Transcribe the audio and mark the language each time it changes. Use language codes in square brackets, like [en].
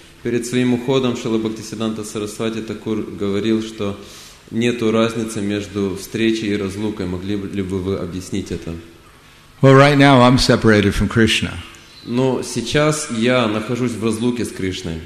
[ru] Перед своим уходом Шрила Бхактисиддханта Сарасвати Такур говорил, что нет разницы между встречей и разлукой. Могли ли бы вы объяснить это? [en] Well, right now I'm separated from Krishna. [ru] Но сейчас я нахожусь в разлуке с Кришной.